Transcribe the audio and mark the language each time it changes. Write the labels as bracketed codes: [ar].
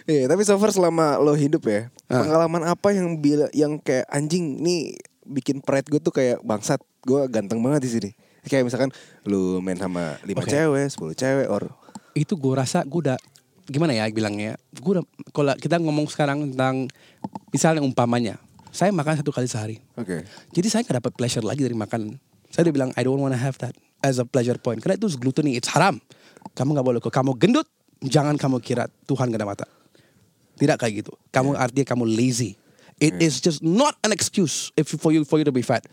[id] Iya, tapi so far selama lo hidup ya, pengalaman apa yang bila, yang kayak anjing nih bikin pride gue tuh kayak bangsat, gue ganteng banget di sini. Kayak misalkan lo main sama 5 okay. cewek, 10 cewek, or itu gue rasa gue udah gimana ya bilangnya? Gue udah kalau kita ngomong sekarang tentang misalnya umpamanya, saya makan satu kali sehari. Oke. Okay. Jadi saya nggak dapat pleasure lagi dari makan. Saya udah bilang [en] I don't wanna have that as a pleasure point. [id] Karena itu gluttony, [en] it's haram. [id] Kamu gak boleh. Kalau kamu gendut, jangan kamu kira Tuhan gak ada mata. Tidak kayak gitu. Kamu artinya kamu lazy. [en] It is just not an excuse if for you to be fat.